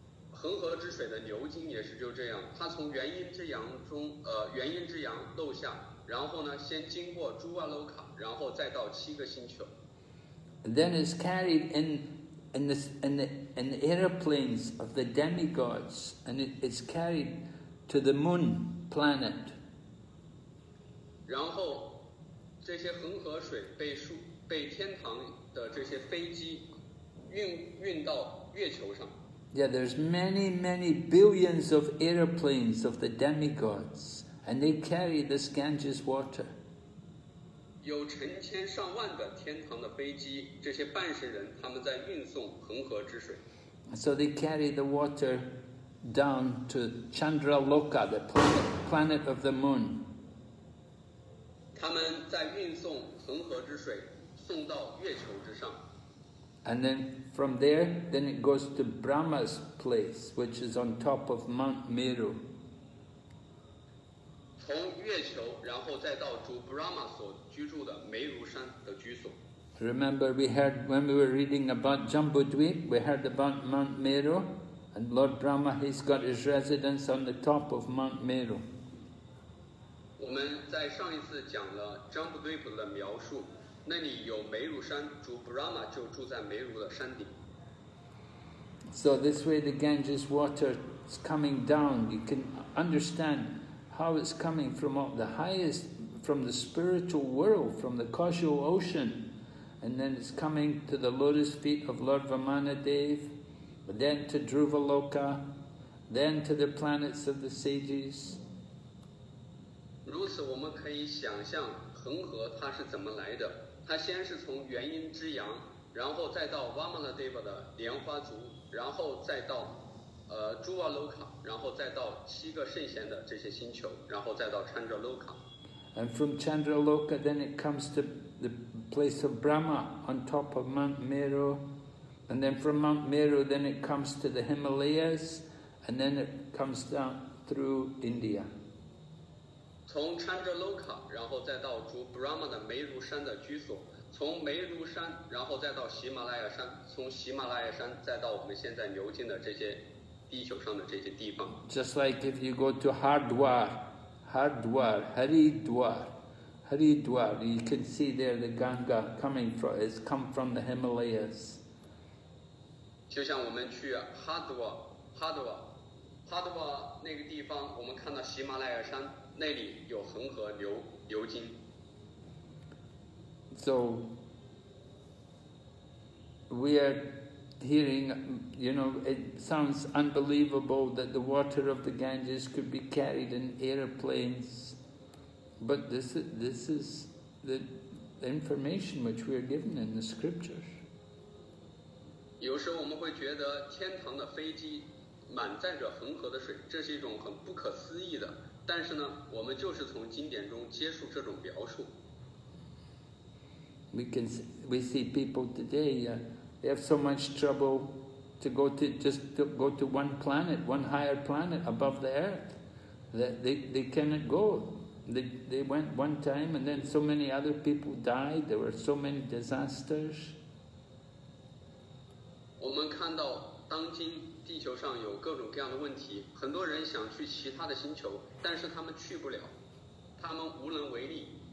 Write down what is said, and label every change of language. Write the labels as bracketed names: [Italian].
[Chinese] 恒河之水的流经也是就这样，它从元婴之阳中，元婴之阳漏下，然后呢，先经过Dhruvaloka，然后再到七个星球。 [English] Then it's carried in the aeroplanes of the demigods, and it's carried to the moon planet. [Chinese] 然后，这些恒河水被天堂的这些飞机运到月球上。 [English] Yeah, there's many, many billions of aeroplanes of the demigods, and they carry this Ganges water. [Chinese] 有成千上万个天堂的飞机，这些半神人他们在运送恒河之水。 [English] So they carry the water down to Chandraloka, the planet of the moon. [Chinese] 他们在运送恒河之水，送到月球之上。 [English] And then from there, then it goes to Brahma's place, which is on top of Mount Meru. [Chinese] 从月球，然后再到主 Brahma 所居住的梅如山的居所。 [English] Remember, we heard when we were reading about Jambudvip, we heard about Mount Meru, and Lord Brahma, he's got his residence on the top of Mount Meru. [Chinese] 我们在上一次讲了 Jambudvip 的描述。那里有梅如山，主 Brahma 就住在梅如的山顶。 [English] So this way the Ganges water is coming down. You can understand how it's coming from up the highest, from the spiritual world, from the causal ocean. And then it's coming to the lotus feet of Lord Vamanadev, then to Dhruvaloka, then to the planets of the sages. [Chinese] 如此我们可以想象恒河它是怎么来的。他先是从元婴之阳，然后再到 Vamanadeva 的莲花族，然后再到Dhruvaloka，然后再到七个圣贤的这些星球，然后再到 Chandraloka。 [English] And from Chandraloka, then it comes to the place of Brahma on top of Mount Meru, and then from Mount Meru, then it comes to the Himalayas, and then it comes down through India. [Chinese] 从 Chandraloka, 然后再到主 Brahma 的梅如山的居所，从梅庐山然后再到喜马拉雅山，从喜马拉雅山再到我们现在流经的这些地球上的这些地方。 [English] Just like if you go to Haridwar, you can see there the Ganga coming from, it's come from the Himalayas. [Chinese] 就像我们去 Haridwar 那个地方，我们看到喜马拉雅山那里有恒河流经。 [English] So we are hearing, you know, it sounds unbelievable that the water of the Ganges could be carried in airplanes, but this is the information which we are given in the scriptures. [Chinese] 有时候我们会觉得天堂的飞机满载着恒河的水，这是一种很不可思议的，但是呢，我们就是从经典中接触这种描述。 [English] We see people today, they have so much trouble to go to one planet, one higher planet above the earth, that they cannot go. They went one time and then so many other people died, there were so many disasters. [Chinese] 我们看到当今地球上有各种各样的问题，很多人想去其他的星球，但是他们去不了，他们无能为力。